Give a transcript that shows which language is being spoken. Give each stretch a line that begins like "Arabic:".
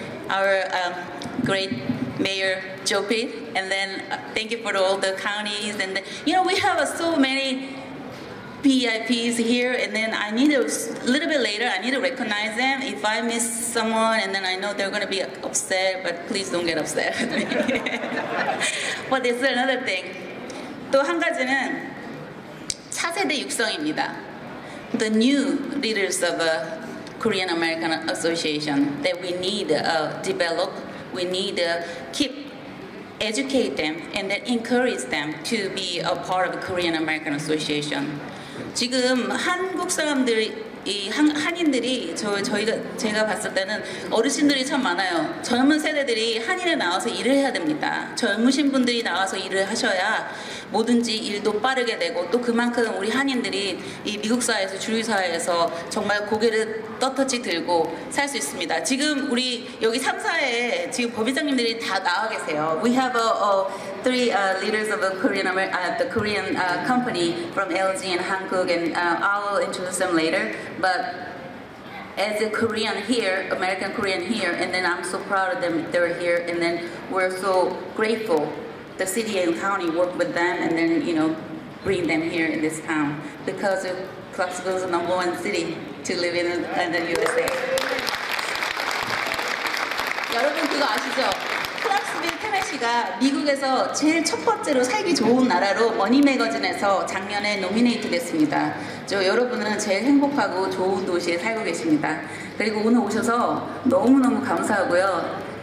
English: our great mayor Jopi, and then thank you for all the counties. And you know, we have so many PIPs here, and then I need to, a little bit later, I need to recognize them. If I miss someone, and then I know they're going to be upset, but please don't get upset. But this is another thing.
Korean: 또 한 가지는 차세대 육성입니다.
English: The new leaders of a Korean American Association that we need to develop, we need to keep, educate them, and then encourage them to be a part of the Korean American Association.
Korean: 지금 한국 사람들이 이 한인들이 제가 봤을 때는 어르신들이 참 많아요. 젊은 세대들이 한인에 나와서 일을 해야 됩니다. 젊으신 분들이 나와서 일을 하셔야 뭐든지 일도 빠르게 되고 또 그만큼 우리 한인들이 이 미국 사회에서 주류 사회에서 정말 고개를 떳떳이 들고 살 수 있습니다. 지금 우리 여기 3사에 지금 법인장님들이 다 나와 계세요.
English: We have three leaders of the Korean company from LG and Hankook, and I will introduce them later. But as a Korean here, American Korean here, and then I'm so proud of them, they're here, and then we're so grateful the city and county work with them, and then, you know, bring them here in this town because Clarksville is the number one city to live in the USA.
Korean: 여러분 그거 아시죠? 클락스빌 테네시가 미국에서 제일 첫 번째로 살기 좋은 나라로 머니 매거진에서 작년에 노미네이트 됐습니다. 저 여러분은 제일 행복하고 좋은 도시에 살고 계십니다. 그리고 오늘 오셔서 너무너무 감사하고요.